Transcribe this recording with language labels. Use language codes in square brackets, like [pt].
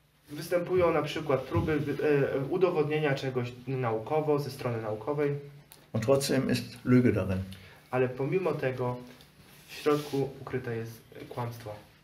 [pl] Występują na przykład próby udowodnienia czegoś naukowo, ze strony naukowej. [de] Und trotzdem ist Lüge darin. [pl] Ale pomimo tego w środku ukryte jest kłamstwo.